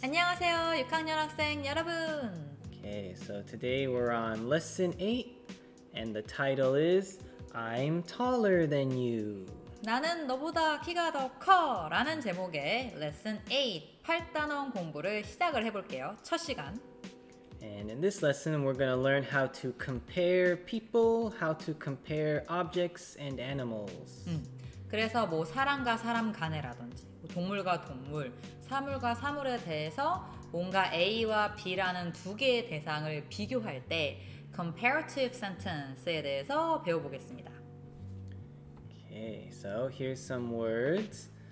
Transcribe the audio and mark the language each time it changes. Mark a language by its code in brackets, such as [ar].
[ko] 안녕하세요, 6학년 학생 여러분. [en] Okay, so today we're on lesson 8, and the title is I'm taller than you. [ko] 나는 너보다 키가 더 커! 라는 제목의 lesson 8, 8단원 공부를 시작을 해볼게요. 첫 시간. [en] And in this lesson, we're going to learn how to compare people, how to compare objects and animals. [ko] 그래서 뭐 사람과 사람 간에라든지 동물과 동물, 사물과 사물에 대해서 뭔가 A와 B라는 두 개의 대상을 비교할 때 comparative sentence에 대해서 배워보겠습니다. [en] Okay, so here's some words.